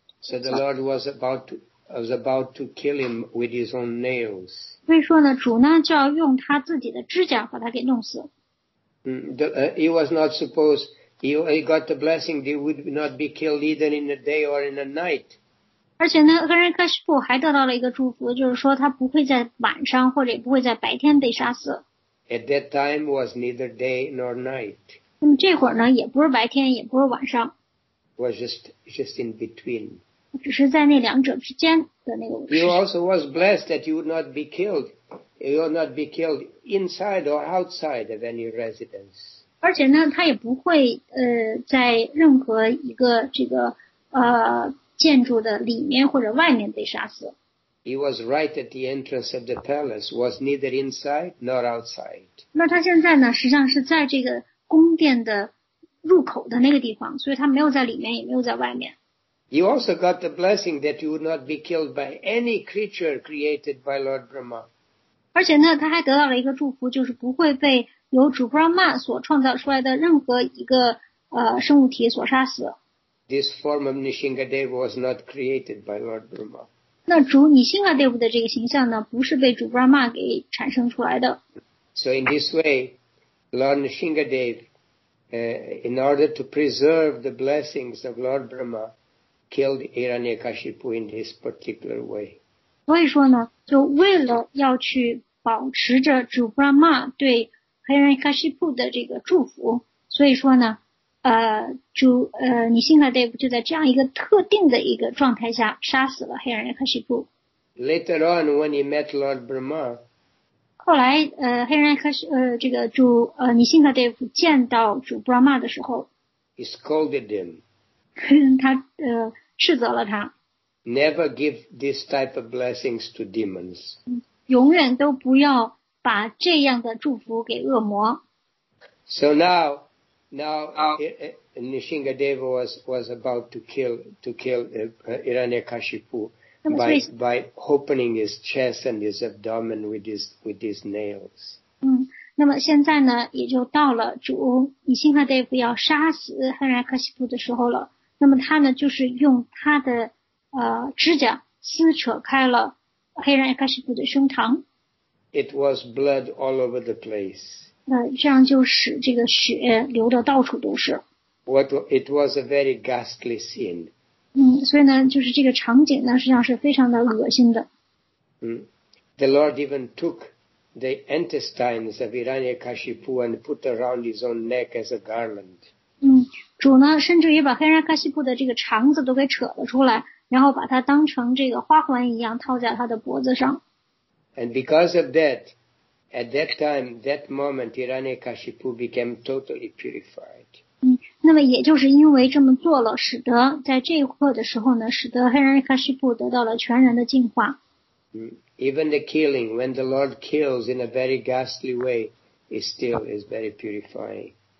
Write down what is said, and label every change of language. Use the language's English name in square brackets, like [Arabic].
[English] So the Lord was about to kill him with his own nails. [Chinese] 所以说呢，主呢就要用他自己的指甲把他给弄死。 [English] He was not supposed. He got the blessing that he would not be killed either in the day or in the night. [Chinese] 而且呢，黑人卡西布还得到了一个祝福，就是说他不会在晚上或者也不会在白天被杀死。 [English] At that time was neither day nor night. [Chinese] 那么这会儿呢，也不是白天，也不是晚上。 [English] Was just in between. [Chinese] 只是在那两者之间的那个。 [English] He also was blessed that you would not be killed. You would not be killed inside or outside of any residence. [Chinese] 而且呢，他也不会在任何一个这个建筑的里面或者外面被杀死。 [English] He was right at the entrance of the palace, was neither inside nor outside. [Chinese] 那他现在呢，实际上是在这个宫殿的入口的那个地方，所以他没有在里面，也没有在外面。 [English] He also got the blessing that you would not be killed by any creature created by Lord Brahma. [Chinese] 而且呢，他还得到了一个祝福，就是不会被。由主 Brahma 所创造出来的任何一个生物体所杀死。 [English] This form of Nrisimhadeva was not created by Lord Brahma. [Chinese] 那主Nrisimhadeva的这个形象呢，不是被主 Brahma 给产生出来的。 [English] So in this way, Lord Nrisimhadeva, in order to preserve the blessings of Lord Brahma, killed Hiranyakashipu in this particular way. [Chinese] 所以说呢，就为了要去保持着主 Brahma 对 Hiranyakashipu 的这个祝福，所以说呢，Nisimhadev 就在这样一个特定的一个状态下杀死了 Hiranyakashipu。 [English] Later on, when he met Lord Brahma, [Chinese] 后来Nisimhadev 见到主 Brahma 的时候 [English] ，he scolded him， [Chinese] 他斥责了他。 [English] Never give this type of blessings to demons. [Chinese] 永远都不要把这样的祝福给恶魔。 [English] So now Nrisimhadeva was about to kill Hiranyakashipu by opening his chest and his abdomen with his nails. [Chinese] 那么现在呢，也就到了主Nrisimhadeva要杀死Hiranyakashipu的时候了。那么他呢，就是用他的指甲撕扯开了黑人开始布的胸膛。 [English] It was blood all over the place. [Chinese] 这样就使这个血流的到处都是。 [English] It was a very ghastly scene. [Chinese] 所以呢，就是这个场景呢，实际上是非常的恶心的。 [English] The Lord even took the intestines of Hiranyakashipu and put around his own neck as a garland. [Chinese] 主呢，甚至于把黑人开始布的这个肠子都给扯了出来。然后把它当成这个花环一样套在他的脖子上。 [English] And because of that, at that time, that moment, Hiranyakashipu became totally purified. [Chinese] 那么也就是因为这么做了，使得在这一刻的时候呢，使得 Hiranyakashipu 得到了全然的净化。 [English] Even the killing, when the Lord kills in a very ghastly way, is still very purifying.